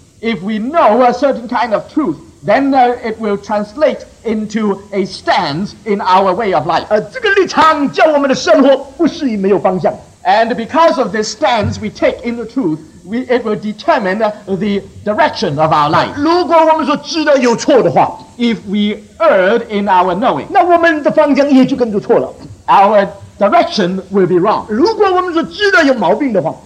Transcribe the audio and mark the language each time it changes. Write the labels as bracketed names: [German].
[English] If we know a certain kind of truth, then it will translate into a stance in our way of life. [Chinese] 这个立场叫我们的生活不是没有方向。 [English] And because of this stance we take in the truth, it will determine the direction of our life. [Chinese] 如果我们说知道有错的话， [English] if we erred in our knowing, [Chinese] 那我们的方向也就跟着错了。 [English] Our direction will be wrong. [Chinese] 如果我们说知道有毛病的话，